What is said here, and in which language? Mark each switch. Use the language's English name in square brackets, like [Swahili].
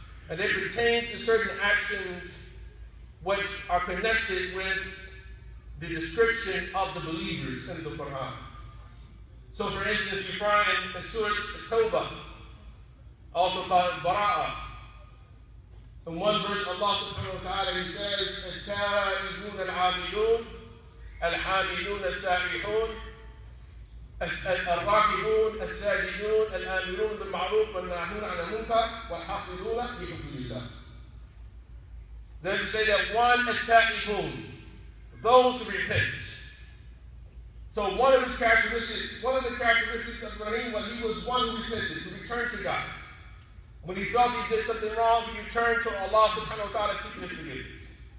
[English] And they pertain to certain actions which are connected with the description of the believers in the Quran. So for instance, you find in Surah Tawbah, also called Bara'a. In one verse, [Arabic] Allah subhanahu wa ta'ala, [English] He says, [Arabic] التائبون العابدون الحامدون السائحون الراكبون الساجدون الآمرون بالمعروف والناهون عن المنكر والحافظون لحدود الله. [English] Then you say that one, التائبون, those who repent. So one of his characteristics, one of the characteristics of Ibrahim was he was one who repented, who returned to God. When he felt he did something wrong, he returned to Allah subhanahu wa ta'ala seeking forgiveness.